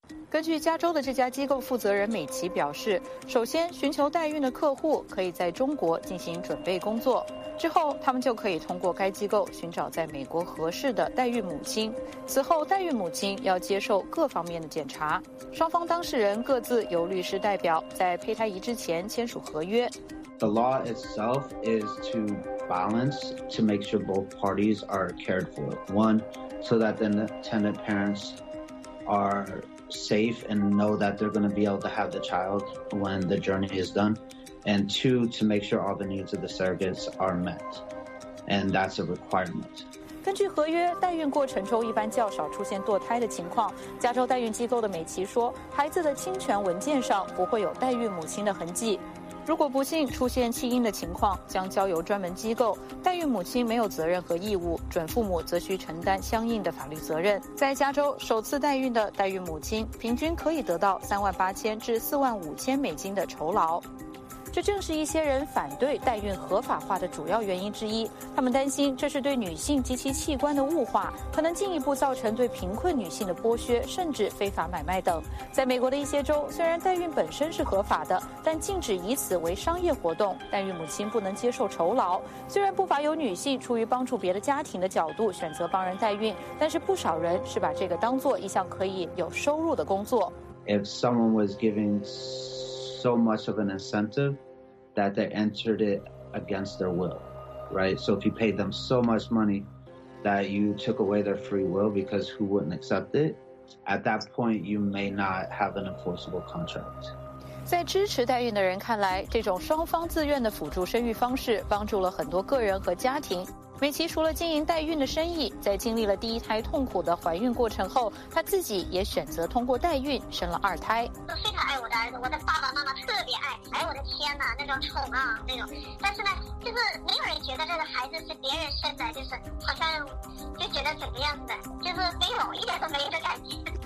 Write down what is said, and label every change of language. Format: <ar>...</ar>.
<zh>根据加州的这家机构负责人美琪表示，首先寻求代孕的客户可以在中国进行准备工作，之后他们就可以通过该机构寻找在美国合适的代孕母亲，此后代孕母亲要接受各方面的检查，双方当事人各自由律师代表在胚胎移植前签署合约。</zh> <en>The law itself is to balance to make sure both parties are cared for, one so that the intended parents areSafe and know that they're going to be able to have the child when the journey is done, and two, to make sure all the needs of the surrogates are met, and that's a requirement.</en> <zh>根据合约，代孕过程中一般较少出现堕胎的情况。加州代孕机构的美琪说，孩子的亲权文件上不会有代孕母亲的痕迹。如果不幸出现弃婴的情况，将交由专门机构，代孕母亲没有责任和义务，准父母则需承担相应的法律责任。在加州，首次代孕的代孕母亲平均可以得到38000至45000美金的酬劳。这正是一些人反对代孕合法化的主要原因之一，他们担心这是对女性及其器官的物化，可能进一步造成对贫困女性的剥削，甚至非法买卖等。在美国的一些州，虽然代孕本身是合法的，但禁止以此为商业活动，代孕母亲不能接受酬劳。虽然不乏有女性出于帮助别的家庭的角度选择帮人代孕，但是不少人是把这个当作一项可以有收入的工作。</zh> <en>If someone was giving so much of an incentiveThat they entered it against their will, right? So if you paid them so much money that you took away their free will, because who wouldn't accept it? At that point, you may not have an enforceable contract.</en> <zh>在支持代孕的人看来，这种双方自愿的辅助生育方式帮助了很多个人和家庭。美琪除了经营代孕的生意，在经历了第一胎痛苦的怀孕过程后，她自己也选择通过代孕生了二胎。我非常爱我的儿子，我的爸爸妈妈特别爱。哎，我的天哪，那种宠啊，那种。但是呢，就是没有人觉得这个孩子是别人生的，就是好像就觉得怎么样子，就是没有，一点都没有的感觉。</zh>